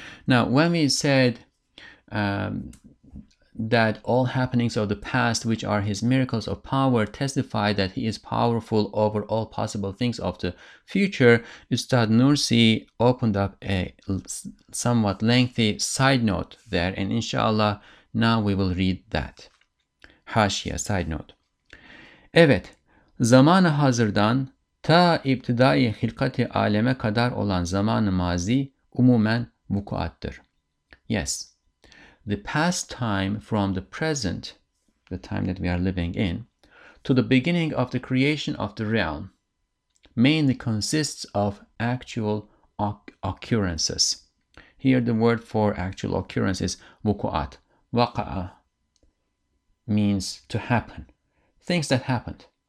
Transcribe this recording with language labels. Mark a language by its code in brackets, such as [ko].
[en] Now, when we said that all happenings of the past, which are his miracles of power, testify that he is powerful over all possible things of the future, Ustad Nursi opened up a somewhat lengthy side note there, and inshallah, now we will read that. Haşiye, side note. [tr] Evet, zamanı hazırdan ta ibtidai hilkati aleme kadar olan zamanı mazi umumen vukuattır. [en] Yes, the past time from the present, the time that we are living in, to the beginning of the creation of the realm, mainly consists of actual occurrences. Here the word for actual occurrence is vukuat. Vaka'a means to happen. Things that happened.